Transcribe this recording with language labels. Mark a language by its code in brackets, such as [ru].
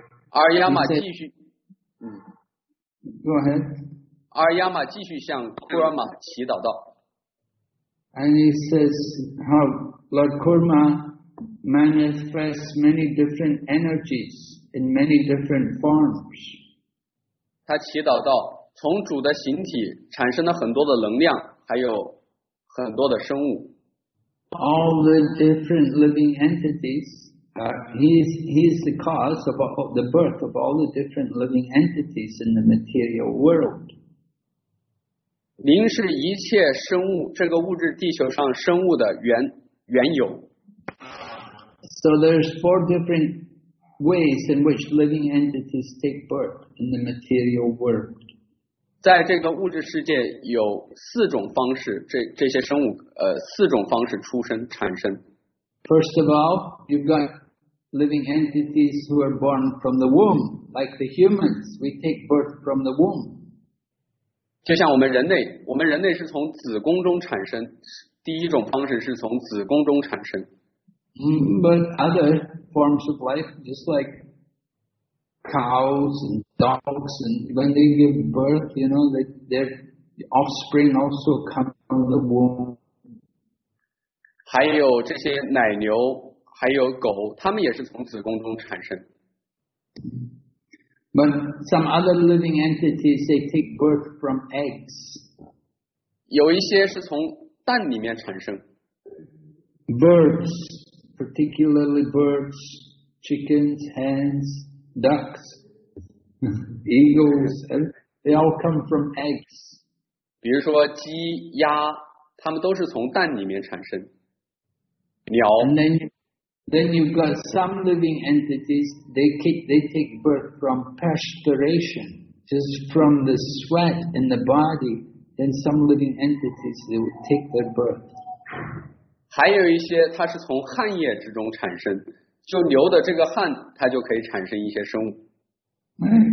[zh] Aryama 继续。 [en] Go ahead. [zh] Aryama 继续向 Kurma 祈祷道。 [en] And he says how Lord Kurma manifests many different energies in many different forms. [zh] 他祈祷道，从主的形体产生了很多的能量，还有很多的生物。 [en] All the different living entities, he's the cause of all, the birth of all the different living entities in the material world. [zh] 灵是一切生物，这个物质地球上生物的缘由。 [en] So there's four different ways in which living entities take birth in the material world. [zh] 在这个物质世界有四种方式，这些生物四种方式出生产生。 [en] First of all, you've got living entities who are born from the womb, like the humans. We take birth from the womb. [zh] 就像我们人类是从子宫中产生，第一种方式是从子宫中产生。 [en] But other forms of life, just like cows and dogs, and when they give birth, you know, their offspring also come from the womb. [zh] 还有这些奶牛，还有狗，它们也是从子宫中产生。 [en] But some other living entities, they take birth from eggs. [zh] 有一些是从蛋里面产生。 [en] Birds, particularly birds, chickens, hens. Ducks, eagles, they all come from eggs. [zh] 比如说鸡、鸭，它们都是从蛋里面产生。鸟。 [en] And then you've got some living entities, they take birth from perspiration, just from the sweat in the body. Then some living entities, they would take their birth. [zh] 还有一些它是从汗液之中产生。就牛的这个汗，它就可以产生一些生物。